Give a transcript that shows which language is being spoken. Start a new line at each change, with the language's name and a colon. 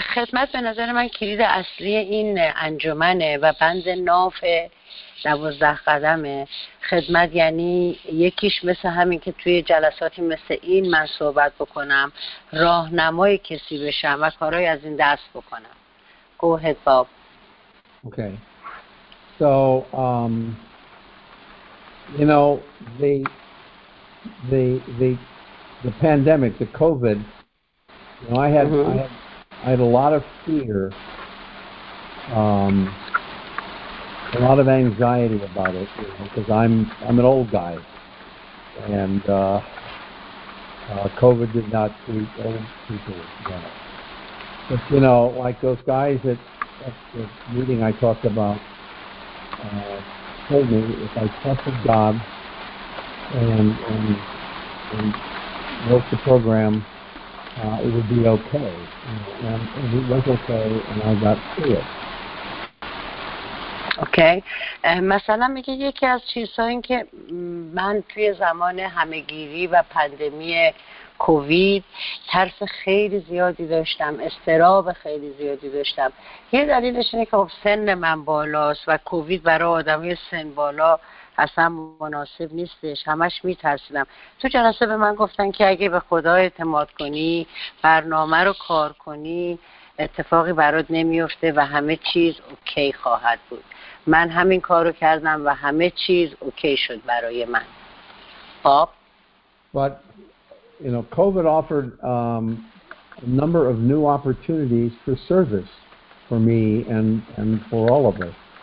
Persian: خدمت به نظر من کلید اصلی این انجمنه و بند ناف 12 قدمه. خدمت یعنی یکیش مثل همین که توی جلساتی مثل این من صحبت بکنم, راهنمای کسی بشم و کارهای از این دست بکنم.
English: Go ahead, Bob. Okay. So, you know, the pandemic, the COVID, you know, I had a lot of fear, a lot of anxiety about it, you know, because I'm an old guy, and COVID did not treat old people well. But, you know, like those guys at the meeting I talked about told me, if I trusted God and wrote the program, it would be okay. And it was okay, and I got through it. Okay.
Persian: مثلا میگه یکی از چیزهایی که من توی زمان همه‌گیری و پاندمی کووید ترس خیلی زیادی داشتم، استراب خیلی زیادی داشتم. یه دلیلش اینه که سن من بالاست و کووید برای آدمی سن بالا اصلا مناسب نیستش، همش میترسیدم. تو جلسه به من گفتن که اگه به خدا اعتماد کنی، برنامه رو کار کنی، اتفاقی برات نمیفته و همه چیز اوکی خواهد بود. من همین کار رو کردم و همه چیز اوکی شد برای من. باب؟
English: But, you know, COVID offered a number of new opportunities for service for me and for all of us.